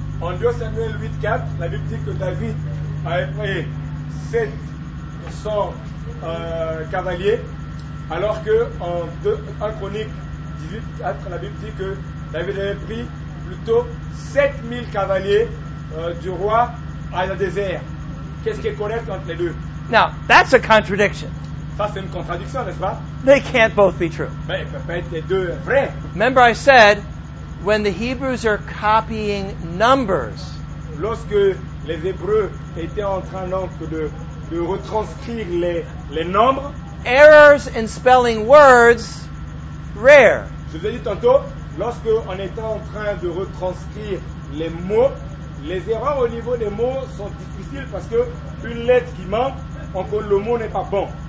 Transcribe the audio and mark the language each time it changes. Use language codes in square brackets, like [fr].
[fr] En 2 Samuel 8:4, la Bible dit que David a pris 700 cavaliers, alors que en 1 Chronique 18:4, la Bible dit que David avait pris plutôt 7,000 cavaliers du roi à la désert. Qu'est-ce qui est correct entre les deux? [en] Now, that's a contradiction. [fr] Ça, c'est une contradiction, n'est-ce pas? [en] They can't both be true. [fr] Mais ils peuvent pas être les deux vrais. [en] Remember I said, when the Hebrews are copying numbers, [fr] lorsque les Hébreux étaient en train donc de retranscrire les nombres, [en] errors in spelling words, rare. [fr] Je vous ai dit tantôt, lorsque on était en train de retranscrire les mots, les erreurs au niveau des mots sont difficiles parce que une lettre qui manque, encore le mot n'est pas bon.